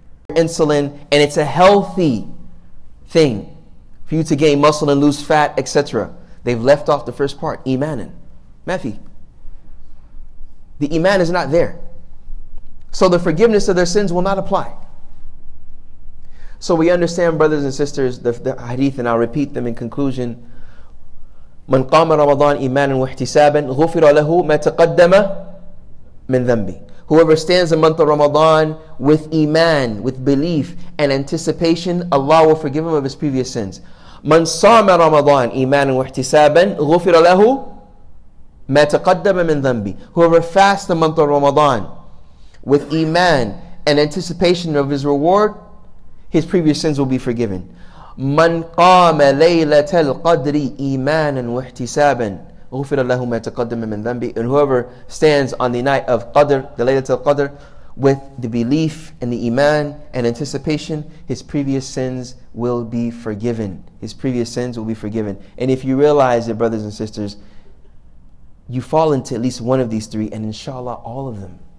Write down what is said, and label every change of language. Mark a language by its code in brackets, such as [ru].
[en] insulin, and it's a healthy thing for you to gain muscle and lose fat, etc. They've left off the first part, imanin, mafi. The iman is not there. So the forgiveness of their sins will not apply. So we understand, brothers and sisters, the hadith, and I'll repeat them in conclusion. [ar] من قام رمضان إيمانا واحتسابا غفر له ما تقدم من ذنبي. [en] Whoever stands the month of Ramadan with iman, with belief and anticipation, Allah will forgive him of his previous sins. [ar] من صام رمضان إيمانا واحتسابا غفر له ما تقدم من ذنبي. [en] Whoever fasts the month of Ramadan with iman and anticipation of his reward, his previous sins will be forgiven. [ar] من قام ليلة القدر إيمانا واحتسابا غفر له ما تقدم من ذنبي. [en] And whoever stands on the night of Qadr, the Laylat al-Qadr, with the belief and the iman and anticipation, his previous sins will be forgiven. His previous sins will be forgiven. And if you realize it, brothers and sisters, you fall into at least one of these three, and inshallah, all of them.